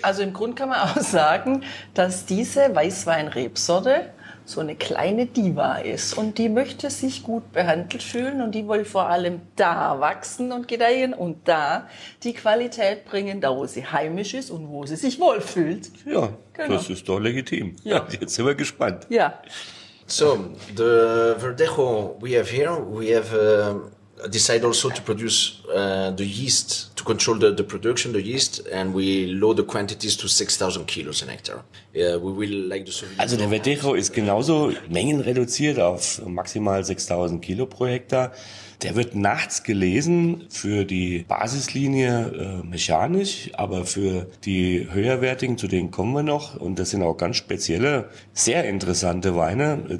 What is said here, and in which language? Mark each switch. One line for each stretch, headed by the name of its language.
German: Also im Grunde kann man auch sagen, dass diese Weißweinrebsorte so eine kleine Diva ist und die möchte sich gut behandelt fühlen und die will vor allem da wachsen und gedeihen und da die Qualität bringen, da wo sie heimisch ist und wo sie sich wohlfühlt. Ja, genau. Das ist doch legitim. Ja. Jetzt sind wir gespannt. Ja.
English: So, the Verdejo we have here, we have decided also to produce the yeast, to control the production, the yeast, and we load the quantities to 6,000 kilos an hectare. We will like the Sauvignon.
German: Also der Verdejo ist genauso mengenreduziert auf maximal 6,000 Kilo pro Hektar. Der wird nachts gelesen für die Basislinie mechanisch, aber für die höherwertigen, zu denen kommen wir noch. Und das sind auch ganz spezielle, sehr interessante Weine.